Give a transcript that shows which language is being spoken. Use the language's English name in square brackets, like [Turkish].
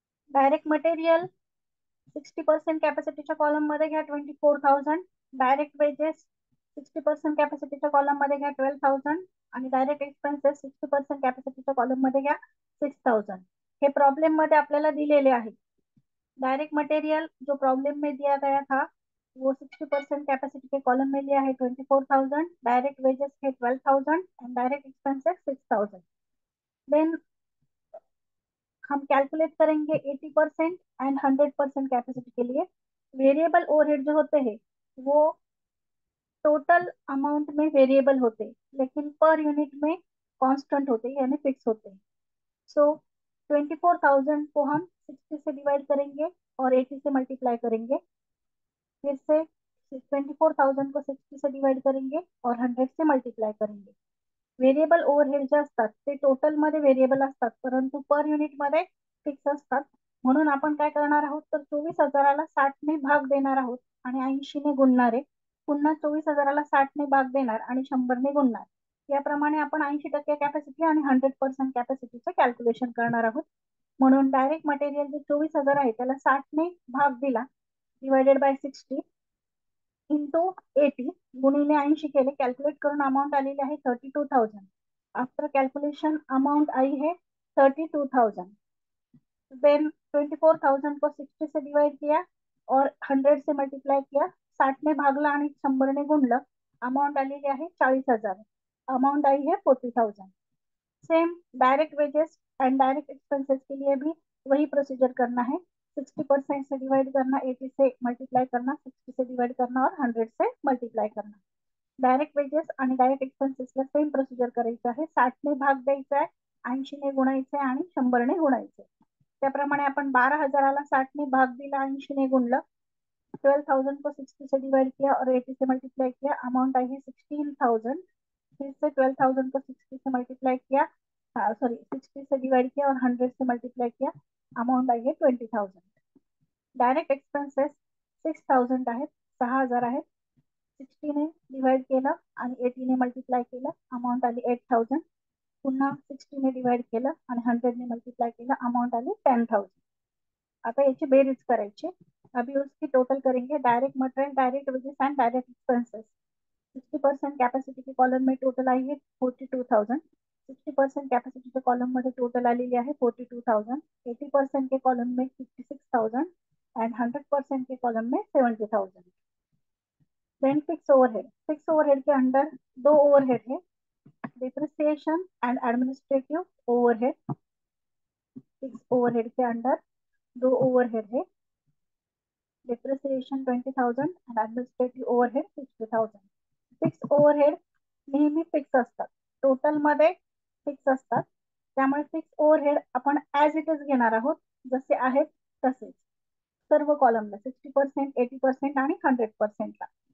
[Marathi] Direct material 60% कॅपॅसिटीच्या column मध्ये घ्या 24,000, direct wedges 60% कॅपॅसिटीच्या column मध्ये घ्या 12,000, आणि डायरेक्ट एक्सपेन्सेस 60% कॅपॅसिटीच्या कॉलम मध्ये घ्या 6,000. हे प्रॉब्लेम मध्ये आपल्याला दिलेले आहे. [Hindi] डायरेक्ट मटेरियल जो प्रॉब्लेम में दिया गया था वो 60% कैपेसिटी के कॉलम में लिया है 24,000, डायरेक्ट वेजेस है 12,000 एंड डायरेक्ट एक्सपेंसेस 6,000. देन हम कैलकुलेट करेंगे 80% एंड 100% कैपेसिटी के लिए. वेरिएबल ओवरहेड जो होते हैं वो टोटल अमाउंट में वेरिएबल होते हैं लेकिन पर यूनिट में कॉन्स्टेंट होते हैं, यानी फिक्स होते हैं. सो 24,000 को हम 60 से डिवाइड करेंगे और 80 से मल्टीप्लाई करेंगे. फिर से 24,000 को 60 से डिवाइड करेंगे और 100 से मल्टीप्लाई करेंगे. [Marathi] वेरिएबल ओवरहेड जे असतात ते टोटल मध्ये वेरिएबल असतात परंतु पर युनिट मध्ये फिक्स असतात. म्हणून आपण काय करणार आहोत, तर 24,000 ला 60 ने भाग देणार आहोत आणि 80 ने गुणणार आहे. पुन्हा 24,000 ला 60 ने भाग देणार आणि 100 ने गुणणार. याप्रमाणे आपण 80% कॅपॅसिटी आणि 100% कॅपॅसिटीचं कॅल्क्युलेशन करणार आहोत. म्हणून डायरेक्ट मटेरियल जे 24,000 आहे त्याला 60 ने भाग दिला डिवाइडेड बाय 60 × 80 गुणिले 80 केले, कॅल्क्युलेट करून अमाउंट आलेली आहे 32,000. [Hindi] आफ्टर कॅल्क्युलेशन अमाउंट आई है 32,000. देन 24,000 को 60 से डिवाइड किया और 100 से मल्टीप्लाई किया, [Marathi] 60 ने भागला आणि 100 ने गुणलं, अमाउंट आलेली आहे 40,000. [Hindi] अमाउंट आई है 40,000. Same direct wages and direct expenses के लिए भी वही प्रोसिजर करना है. 60% से डिवाइड करना, 80 से मल्टीप्लाई करना, 60 से डिवाइड करना और 100 से मल्टीप्लाई करना. [Marathi] डायरेक्ट वेजेस आणि डायरेक्ट एक्सपेन्सेसला सेम प्रोसिजर करायचं आहे. 60 ने भाग द्यायचा आहे, 80 ने गुणायचं आहे आणि 100 ने गुणायचं. त्याप्रमाणे आपण 12,000 ला 60 ने भाग दिला, 80 ने गुणलं, [Hindi] 12,000 को 60 से डिवाइड किया और 80 से मल्टीप्लाई किया, अमाउंट आई है 16,000. फिर से 12,000 को 60 से मल्टीप्लाई किया, सॉरी 60 से डिवाइड किया और 100 से मल्टीप्लाई किया, अमाउंट आई है 20,000. [Marathi] डायरेक्ट एक्सपेन्सेस 6,000 आहेत, 6,000 आहेत. 60 ने डिवाइड केलं आणि 80 ने मल्टीप्लाय केलं, अमाउंट आली 8,000. पुन्हा 60 ने डिवाइड केलं आणि 100 ने मल्टीप्लाय केलं, अमाउंट आली 10,000. आता याची बेरीज करायची. [Hindi] अभी उसकी टोटल करेंगे. Direct material, direct wages and direct expenses 60% capacity के कॉलम में टोटल आई है 42,000. 60% कैपेसिटी के कॉलम में टोटल आ लिया है 42,000. 80% के कॉलम में 56,000 एंड 100% के कॉलम में 70,000. Then fix overhead, fix overhead के अंडर दो ओवरहेड है, depreciation and administrative overhead. Fix overhead के अंडर दो ओवरहेड है, depreciation 20,000 and administrative overhead 60,000. [Marathi] Fix overhead नेहमी फिक्स असतात, टोटल मध्ये फिक्स असतात. त्यामुळे फिक्स ओवरहेड आपण ऍज इट इज घेणार आहोत, जसे आहेत तसेच सर्व कॉलमला 60%, 80% आणि 100%ला.